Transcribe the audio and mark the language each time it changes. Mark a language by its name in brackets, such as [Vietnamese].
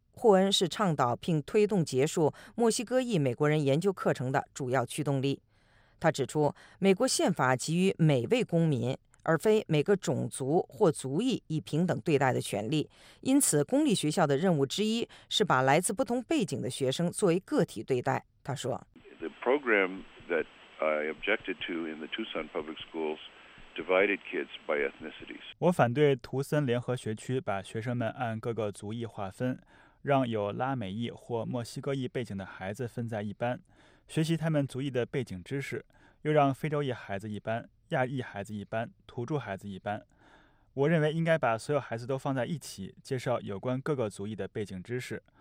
[Chinese] 霍恩是倡导并推动结束墨西哥裔美国人研究课程的主要驱动力。他指出，美国宪法给予每位公民而非每个种族或族裔以平等对待的权利，因此公立学校的任务之一是把来自不同背景的学生作为个体对待。他说， [English] The program that I objected to in the Tucson public schools divided kids by ethnicities. [Chinese] 我反对图森联合学区把学生们按各个族裔划分，让有拉美裔或墨西哥裔背景的孩子分在一班，学习他们族裔的背景知识，又让非洲裔孩子一班，亚裔孩子一班，土著孩子一班。我认为应该把所有孩子都放在一起，介绍有关各个族裔的背景知识。